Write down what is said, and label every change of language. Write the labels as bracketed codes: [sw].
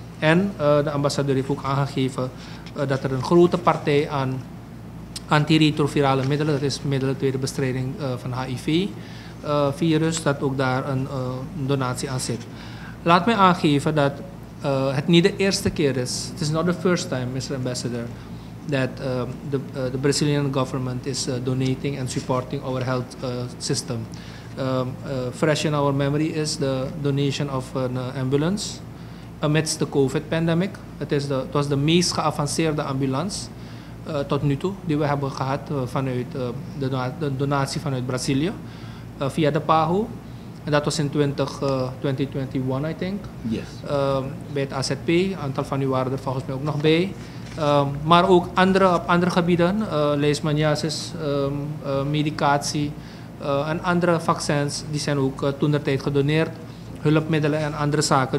[nl] En de ambassadeur heeft ook aangegeven dat er een grote partij aan antiretrovirale middelen, dat is middelen tweede bestrijding van HIV-virus, dat ook daar een donatie aan zit. Laat mij aangeven dat het niet de eerste keer is, het is [en] not the first time, Mr. Ambassador, that the Brazilian government is donating and supporting our health system. Fresh in our memory is the donation of an ambulance amidst the COVID pandemic. It was the [nl] meest geavanceerde ambulance tot nu toe die we hebben gehad vanuit de donatie vanuit Brazilië via de PAHO. En dat was in 2021, [en] I think. Yes. [nl] Bij het AZP, een aantal van u waren er volgens mij ook nog bij. Maar ook andere, op andere gebieden, leishmaniasis, medicatie en andere vaccins, die zijn ook toentertijd gedoneerd, hulpmiddelen en andere zaken.